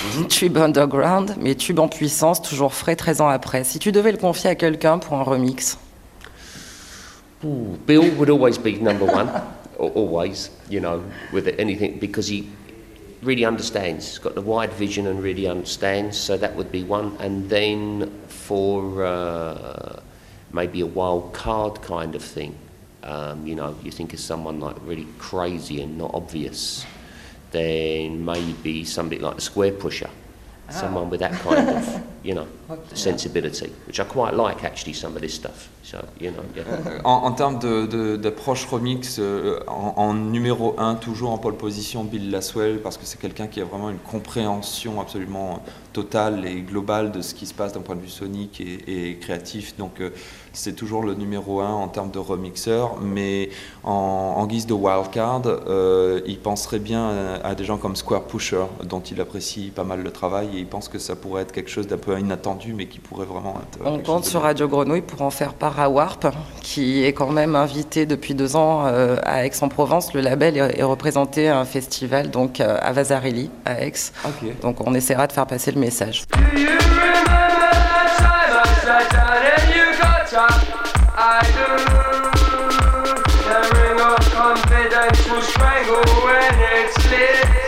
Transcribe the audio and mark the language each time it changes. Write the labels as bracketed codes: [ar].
[fr] Tube underground, mais tube en puissance, toujours frais 13 ans après. Si tu devais le confier à quelqu'un pour un remix. [en] Ooh, Bill would always be number one, always, you know, with anything, because he really understands. He's got the wide vision and really understands, so that would be one. And then for maybe a wild card kind of thing, you know, you think of someone like really crazy and not obvious. Then maybe somebody like a square pusher, someone with that kind of, you know, sensibility, which I quite like actually some of this stuff. So, you know. Yeah. [fr] En termes d'approche remix, en numéro un, toujours en pole position, Bill Laswell, parce que c'est quelqu'un qui a vraiment une compréhension absolument totale et globale de ce qui se passe d'un point de vue sonique et créatif. Donc, c'est toujours le numéro un en termes de remixeur. Mais en guise de wildcard, il penserait bien à des gens comme Square Pusher, dont il apprécie pas mal le travail. Et il pense que ça pourrait être quelque chose d'un peu inattendu, mais qui pourrait vraiment être. On compte sur Radio Grenouille pour en faire part à Warp, qui est quand même invité depuis 2 ans à Aix-en-Provence. Le label est représenté à un festival, donc à Vasarely, à Aix. [en] Okay. [fr] Donc on essaiera de faire passer le message. [en] I do the ring of confidence will strangle when it's lit.